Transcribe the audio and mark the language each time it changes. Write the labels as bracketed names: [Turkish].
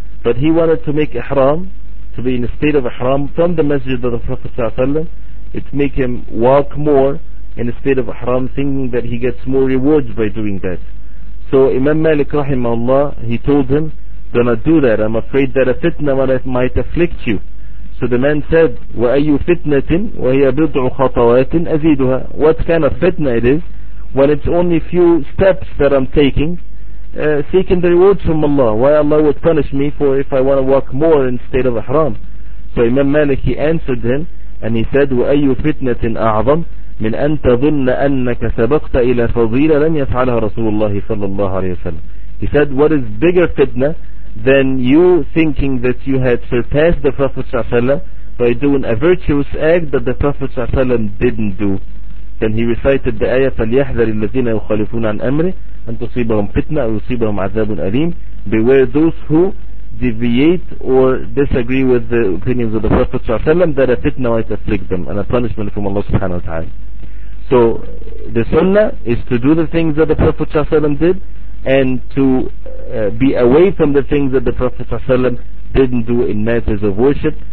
[English] But he wanted to make ihram, to be in a state of ihram from the masjid of the Prophet ﷺ. It make him walk more in a state of ihram, thinking that he gets more rewards by doing that. So Imam Malik rahimahullah, he told him, do not do that, I'm afraid that a fitna might afflict you. So the man said, [Arabic] وَأَيُّ فِتْنَةٍ وَهِيَ بِضْعُ خَطَوَاتٍ أَزِيدُهَا. [English] What kind of fitna it is when it's only few steps that I'm taking, seeking the rewards from Allah? Why Allah would punish me for if I want to walk more in state of ihram? So Imam Malik, he answered him and he said, [Arabic] وَأَيُّ فِتْنَةٍ أَعْظَمْ مِنْ أَن تَظُنَّ أَنَّكَ سَبَقْتَ إِلَى فَضِيلَةٍ لَمْ يَفْعَلَهَا رَسُولُ اللَّهِ صَلَّى اللَّهُ عَلَيْهِ وَسَلَّمَ. [English] He said, what is bigger fitna than you thinking that you had surpassed the Prophet ﷺ by doing a virtuous act that the Prophet ﷺ didn't do? Then he recited the ayah, [Arabic] فَلْيَحْذَرِ الَّذِينَ يُخَالِفُونَ عَنْ أَمْرِ أَن تُصِيبَهُمْ فِتْنَةٌ أَوْ يُصِيبَهُمْ عَذَابٌ أَلِيمٌ. [English] Beware those who deviate or disagree with the opinions of the Prophet ﷺ, that a fitna might afflict them and a punishment from Allah subhanahu wa ta'ala. So the sunnah is to do the things that the Prophet ﷺ did, and to be away from the things that the Prophet ﷺ didn't do in matters of worship.